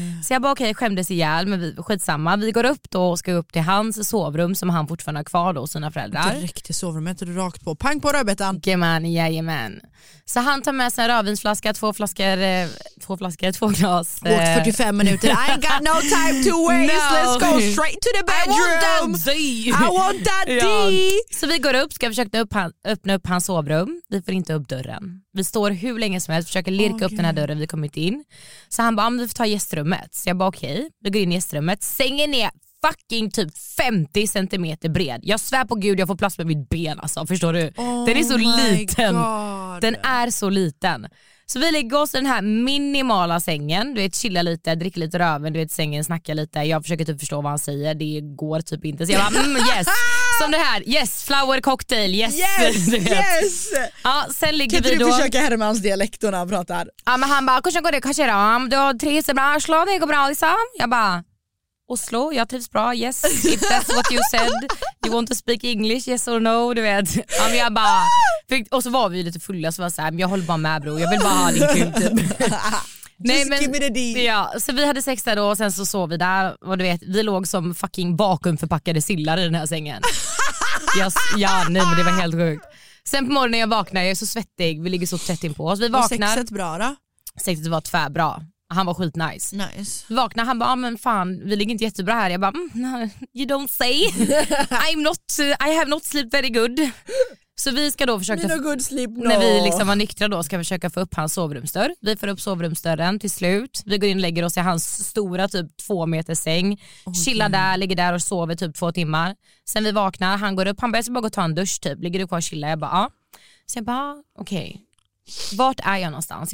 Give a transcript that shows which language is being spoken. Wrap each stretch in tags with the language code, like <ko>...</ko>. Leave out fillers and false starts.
<sv>Så jag bara okej, okay, skämdes ihjäl, men vi, skitsamma, vi går upp då och ska upp till hans sovrum som han fortfarande har kvar då och sina föräldrar. Direkt till sovrummet och rakt på, pang på rödbetan. Jajamän, jajamän. Så han tar med sig en rödvinsflaska, två flaskor, två glas. Åt 45 minuter,</sv> <en>I ain't got no time to waste, no. Let's go straight to the bedroom. I want that D.</en> <sv>Ja. Så vi går upp, ska försöka öppna upp hans sovrum, vi får inte upp dörren. Vi står hur länge som helst, försöker lirka upp den här dörren, vi kommit in. Så han bara, om vi får ta gästrummet. Så jag bara okej, okay. Vi går in i gästrummet, sängen är fucking typ 50 centimeter bred. Jag svär på gud, jag får plats med mitt ben, alltså, förstår du? Oh, den är så liten.</sv> <en>God.</en> <sv>Den är så liten. Så vi lägger oss i den här minimala sängen. Du vet, chilla lite, dricker lite röven. Du vet, sängen, snackar lite. Jag försöker typ förstå vad han säger. Det går typ inte. Så jag bara, yes. Som det här,</sv> <en>yes, flower cocktail, yes. Yes, yes.</en> <sv>Ja, sen ligger vi då. Kan du försöka Hermans dialekt när han pratar? Ja, men han bara, kanske går det, kanske då. Du har tre så bra, slå, det går bra liksom. Jag bara, Oslo, jag trivs bra, yes.</sv> <en>If that's what you said, you want to speak English, yes or no,</en> <sv>du vet. Ja, men jag bara... Och så var vi lite fulla, så var så här, men jag håller bara med, bro. Jag vill bara ha din kul, typ. Nej, men,</sv> <en>give me the D.</en> <sv>Ja, så vi hade sex där då, och sen så sov vi där. Och du vet, vi låg som fucking bakumförpackade sillar i den här sängen. Ja, nej, men det var helt sjukt. Sen på morgonen jag vaknade, jag är så svettig. Vi ligger så tätt in på oss. Vi vaknar. Och sexet bra, då? Sexet var tvärbra. Han var skitnice. Nice. Vaknar, han bara, men fan, vi ligger inte jättebra här. Jag bara,</sv> <en>you don't say. I have not slept very good.</en> <sv>Så vi ska då försöka, när vi liksom var nyktra då, ska försöka få upp hans sovrumsdörr. Vi får upp sovrumsdörren till slut. Vi går in och lägger oss i hans stora typ 2 meters säng. Okay. Chillar där, ligger där och sover typ 2 timmar. Sen vi vaknar, han går upp, han börjar bara gå och ta en dusch typ. Ligger du kvar och chillar? Jag bara, ja. Så jag bara, okej. Okay. Vart är jag någonstans?</sv>